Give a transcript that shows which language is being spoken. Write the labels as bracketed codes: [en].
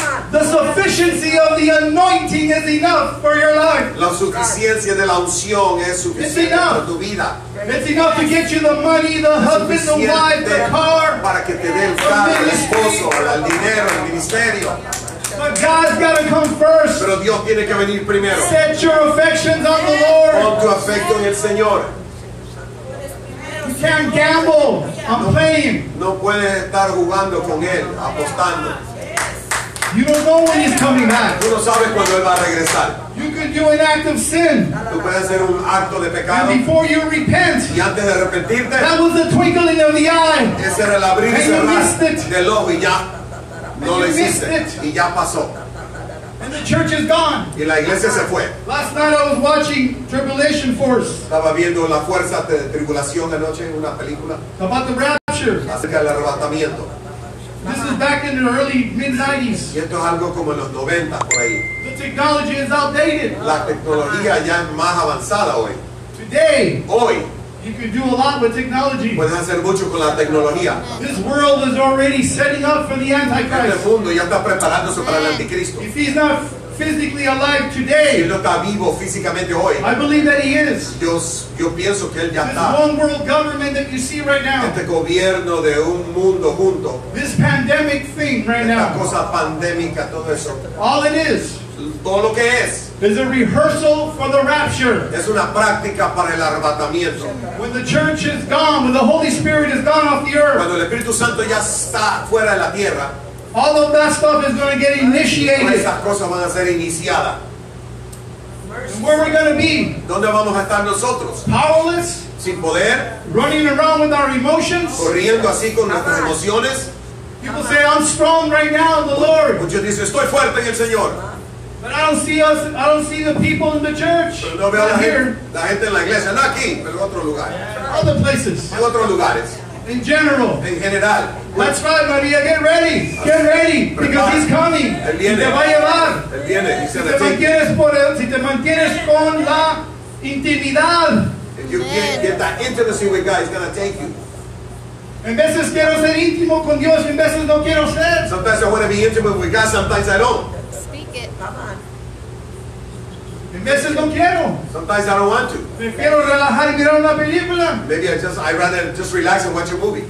[en] The sufficiency of the anointing is enough for your life. [es] La suficiencia de la unción es suficiente para tu vida. [en] It's enough to get you the money, the husband, the wife, the car, [es] para que te dé el carro, el esposo, el dinero, el ministerio. [en] But God's got to come first. [es] Pero Dios tiene que venir primero. [en] Set your affections on the Lord. [es] Pon tu afecto en el Señor. [en] You can't gamble on playing. [es] No puedes estar jugando con él, apostando. [en] You don't know when he's coming back. [es] Tú no sabes cuándo él va a regresar. [en] You could do an act of sin. [es] Tú puedes hacer un acto de pecado. [en] And before you repent. [es] Y antes de arrepentirte. [en] That was the twinkling of the eye. [es] Ese era el abrir y cerrar del ojo y ya no lo hiciste. Y ya pasó. [en] And the church is gone. [es] Y la iglesia se fue. [en] Last night I was watching Tribulation Force. [es] Estaba viendo la fuerza de tribulación anoche en una película. [en] About the rapture. [es] Acerca del arrebatamiento. [en] This is back in the early mid-90s. [es] Y esto es algo como en los 90 por ahí. [en] The technology is outdated. [es] La tecnología ya es más avanzada hoy. [en] Today. [es] Hoy. [en] You can do a lot with technology. [es] Puedes hacer mucho con la tecnología. [en] This world is already setting up for the Antichrist. [es] Este mundo ya está preparándose para el anticristo. [en] If he's not physically alive today, [es] si él no está vivo físicamente hoy, [en] I believe that he is. [es] Yo pienso que él ya está. [en] This one world government that you see right now. [es] Este gobierno de un mundo junto. [en] This pandemic thing right [es] esta [en] now. [es] Esta cosa pandémica, todo eso. [en] All it is. [es] Todo lo que es. [en] Is a rehearsal for the rapture. [es] Es una práctica para el arrebatamiento. [en] When the church is gone, when the Holy Spirit is gone off the earth. [es] Cuando el Espíritu Santo ya está fuera de la tierra. [en] All of that stuff is going to get initiated. [es] Todas esas cosas van a ser iniciadas. [en] And where are we going to be? [es] ¿Dónde vamos a estar nosotros? [en] Powerless. [es] Sin poder. [en] Running around with our emotions. [es] Corriendo así con nuestras emociones. [en] People say, I'm strong right now in the Lord. [es] Muchos dicen, estoy fuerte en el Señor. [en] But I don't see the people in the church. [es] Pero no veo la gente en la iglesia, no aquí, pero en otro lugar. [en] Yeah. Other places. [es] En otros lugares. [en] In general. [es] En general. [en] That's right, Maria, get ready. Get ready. Because he's coming. [es] Él viene. Y te va a llevar. Él viene. Y se si, te mantienes por el, si te mantienes con la intimidad. [en] If you get that intimacy with God, he's going to take you. [es] En veces quiero ser íntimo con Dios, en veces no quiero ser. [en] Sometimes I want to be intimate with God, sometimes I don't. Sometimes I don't want to. [es] Prefiero relajar y mirar una película. [en] Maybe I'd rather just relax and watch a movie.